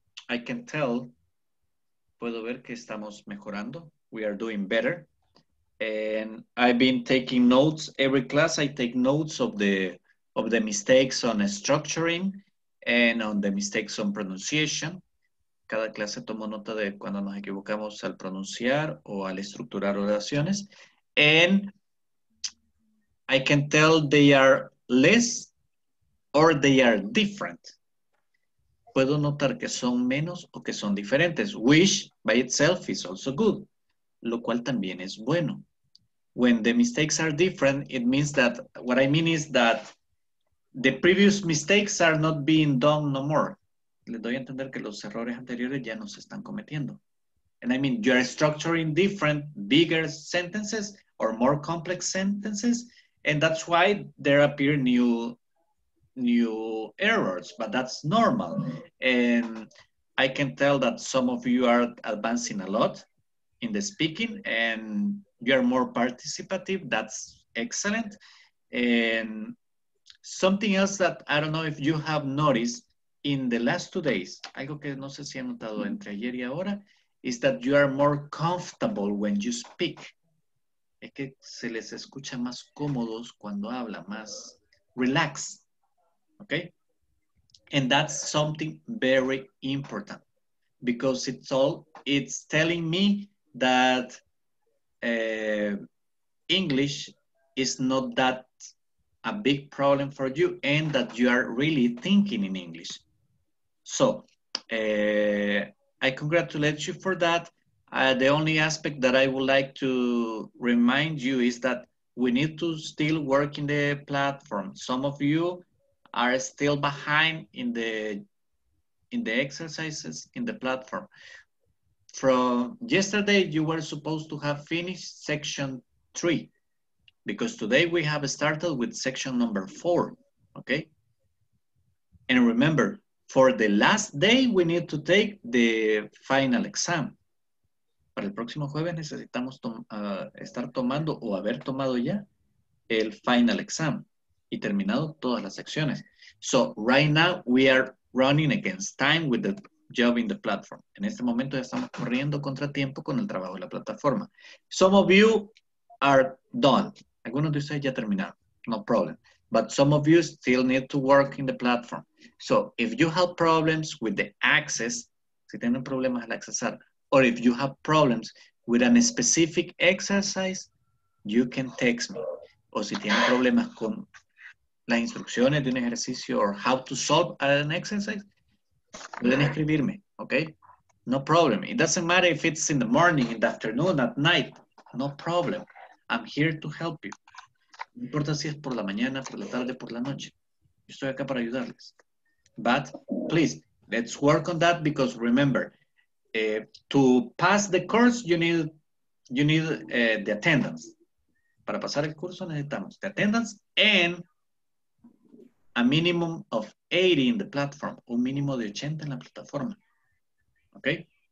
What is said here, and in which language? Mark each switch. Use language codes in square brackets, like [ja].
[en] I can tell, [es] puedo ver que estamos mejorando. [en] We are doing better. And I've been taking notes. Every class I take notes of the mistakes on structuring and on the mistakes on pronunciation. [es] Cada clase tomo nota de cuando nos equivocamos al pronunciar o al estructurar oraciones. [en] And I can tell they are less or they are different. [es] Puedo notar que son menos o que son diferentes. [en] Which by itself is also good. [es] Lo cual también es bueno. [en] When the mistakes are different, it means that, what I mean is that the previous mistakes are not being done no more. [es] Les doy a entender que los errores anteriores ya no se están cometiendo. [en] And I mean, you are structuring different, bigger sentences or more complex sentences. And that's why there appear new errors, but that's normal. And I can tell that some of you are advancing a lot in the speaking and you are more participative. That's excellent. And something else that I don't know if you have noticed in the last 2 days, [es] algo que no sé si he notado entre ayer y ahora, [en] is that you are more comfortable when you speak. [es] Es que se les escucha más cómodos cuando habla, más relax. [en] Okay? And that's something very important because it's telling me that English is not that a big problem for you and that you are really thinking in English. So I congratulate you for that. The only aspect that I would like to remind you is that we need to still work in the platform. Some of you are still behind in the exercises in the platform. From yesterday, you were supposed to have finished section 3, because today we have started with section number 4, okay? And remember, for the last day, we need to take the final exam. [es] Para el próximo jueves necesitamos estar tomando o haber tomado ya el final exam y terminado todas las secciones. [en] So right now we are running against time with the job in the platform. [es] En este momento ya estamos corriendo contra tiempo con el trabajo de la plataforma. [en] Some of you are done. [es] Algunos de ustedes ya terminaron. [en] No problem. But some of you still need to work in the platform. So if you have problems with the access, [es] si tienen problemas al accesar, [en] or if you have problems with a specific exercise, you can text me. [es] O si tienen problemas con las instrucciones de un ejercicio [en] or how to solve an exercise, [es] pueden escribirme, okay? [en] No problem. It doesn't matter if it's in the morning, in the afternoon, at night. No problem. I'm here to help you. [es] No importa si es por la mañana, por la tarde, por la noche. Yo estoy acá para ayudarles. [en] But please, let's work on that because remember, to pass the course, you need the attendance. [es] Para pasar el curso necesitamos [en] the attendance and a minimum of 80 in the platform, [es] un mínimo de 80 en la plataforma. Okay?